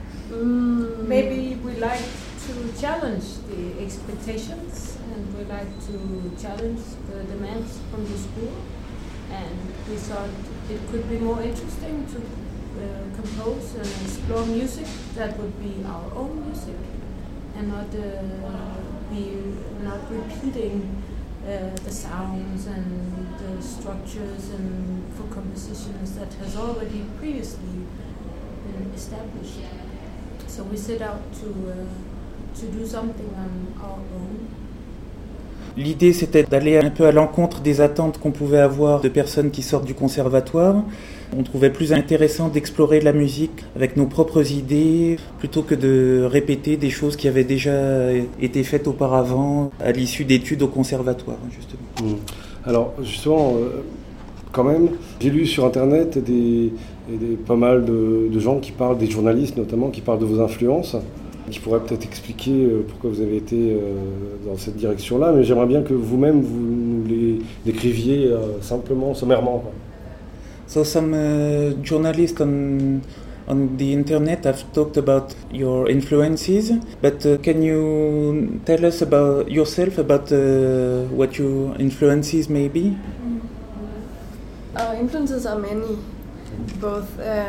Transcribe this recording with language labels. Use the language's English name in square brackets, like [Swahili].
[English] Maybe we like to challenge the expectations, and we like to challenge the demands from the school, and we thought it could be more interesting to compose and explore music that would be our own music and not repeating the sounds and the structures and for compositions that has already previously been established. So we set out to do something on our own. [French] L'idée, c'était d'aller un peu à l'encontre des attentes qu'on pouvait avoir de personnes qui sortent du conservatoire. On trouvait plus intéressant d'explorer la musique avec nos propres idées plutôt que de répéter des choses qui avaient déjà été faites auparavant à l'issue d'études au conservatoire, justement. Alors, justement, quand même, j'ai lu sur Internet pas mal de gens qui parlent, des journalistes notamment, qui parlent de vos influences. Qui pourrait peut-être expliquer pourquoi vous avez été dans cette direction-là, mais j'aimerais bien que vous-même vous nous les décriviez simplement, sommairement. [English] So some journalists on the internet have talked about your influences, but can you tell us about yourself, about what your influences may be? Influences are many, both.